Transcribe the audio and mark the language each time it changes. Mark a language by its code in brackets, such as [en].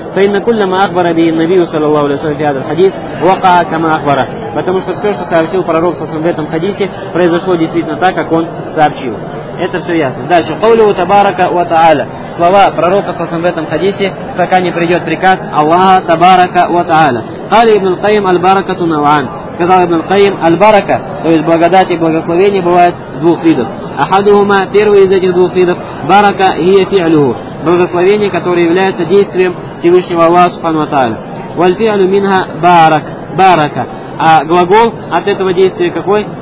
[ar] فَإِنَّ كُلَّ مَا أَخْبَرَ بِهِ النَّبِيُّ صَلَّى اللَّهُ عَلَيْهِ وَسَلَّمَ فِي هَذَا الْحَدِيثِ وَقَعَ كَمَا أَخْبَرَ. [ru] Потому что все, что сообщил пророк в этом хадисе, произошло действительно так, как он сообщил. Это все ясно. Дальше. [ar] قَوْلُهُ تَبَارَكَ وَتَعَالَى. [ru] Слова пророка в этом хадисе, пока не придет приказ Аллаха табарака ва тааля. [ar] قال ابن القيم البركة نوعان. [ru] Сказал ибн аль-Кайим, аль-барака, то есть благодать и благословение бывает двух видов. Ахадухума, первый из этих двух видов, [ar] барака хия фи'люху, [ru] благословение, которое является действием Всевышнего Аллаха субхану ва тааля. [ar] Валь-фи'лю минха барак, барака. [ru] А глагол от этого действия какой?